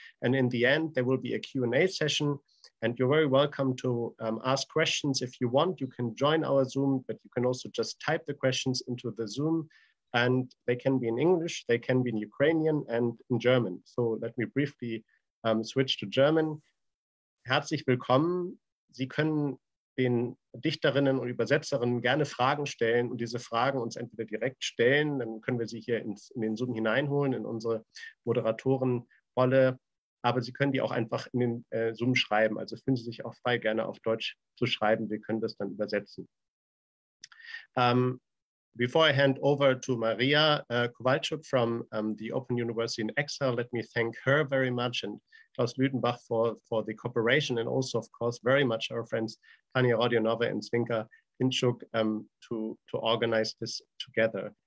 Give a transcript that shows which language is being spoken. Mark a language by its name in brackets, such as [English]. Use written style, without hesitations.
[English] And in the end, there will be a Q&A session, and you're very welcome to ask questions. If you want, you can join our Zoom, but you can also just type the questions into the Zoom, and they can be in English, they can be in Ukrainian and in German. So let me briefly switch to German. [German] Herzlich willkommen. Sie können den Dichterinnen und Übersetzerinnen gerne Fragen stellen und diese Fragen uns entweder direkt stellen, dann können wir sie hier in den Zoom hineinholen, in unsere Moderatorenrolle, aber Sie können die auch einfach in den Zoom schreiben. Also fühlen Sie sich auch frei, gerne auf Deutsch zu schreiben. Wir können das dann übersetzen. [English] Before I hand over to Maria Kowalczuk from the Open University in Exile, let me thank her very much and Klaus Lüdenbach for the cooperation, and also, of course, very much our friends Tania Rodionova and Zvinka Inchuk to organize this together.